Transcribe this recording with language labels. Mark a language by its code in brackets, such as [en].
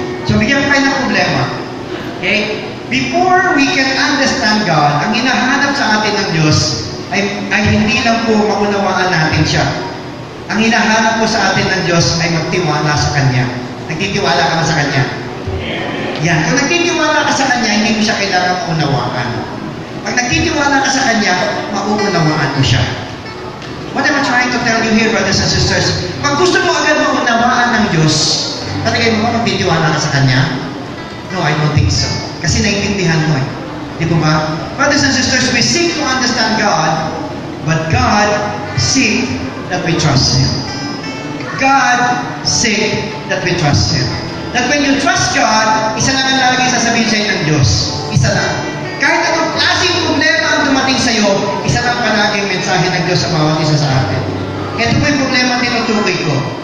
[tl] So, bigyan mo kayo ng problema. [en] Okay? Before we can understand God, [tl] ang hinahanap sa atin ng Diyos ay hindi lang po maunawaan natin siya. Ang hinahanap po sa atin ng Diyos ay magtiwala sa Kanya. Nagtitiwala ka ba sa Kanya? Yan. Kung nagtitiwala ka sa Kanya, hindi mo siya kailangan maunawaan. Pag nagtitiwala ka sa Kanya, mauunawaan mo siya. [en] What am I trying to tell you here, brothers and sisters? [tl] Pag gusto mo agad maunawaan ng Diyos, talagay mo ba magtitiwala ka sa Kanya? [en] No, I don't think so. [tl] Kasi naiintindihan mo eh. Di ba? [en] Brothers and sisters, we seek to understand God, but God seek that we trust Him. God seek that we trust Him. That when you trust God, [tl] isa lang ang lalagay sasabihin sa'yo ng Diyos. Isa lang. Kahit anong klaseng problema ang dumating sa'yo, isa lang palagi ang mensahe ng Diyos sa bawat isa sa atin. Ito po yung problema ang tinutukoy ko.